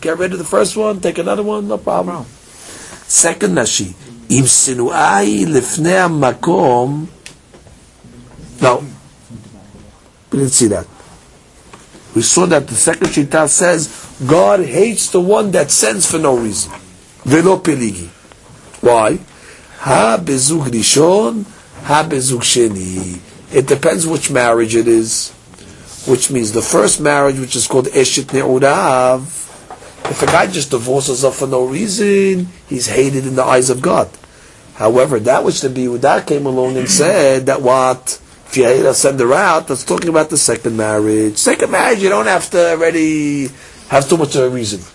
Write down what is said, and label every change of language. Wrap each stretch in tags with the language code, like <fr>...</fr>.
<en>Get rid of the first one, take another one, no problem. Second Rashi.</en> <he>אם סנואי לפני המקום,</he> <en>no, we didn't see that. We saw that the second sheetah says, God hates the one that sends for no reason.</en> <arc>ולא פליגי.</arc> <en>Why?</en> <arc>Ha בזוג ראשון, ha בזוג שני.</arc> <en>It depends which marriage it is. Which means the first marriage, which is called אשת נעוריו, if a guy just divorces her for no reason, he's hated in the eyes of God. However, that which the Biyudah came along and said, that what? If you hate her, send her out. That's talking about the second marriage. Second marriage, you don't have to already have too much of a reason.</en>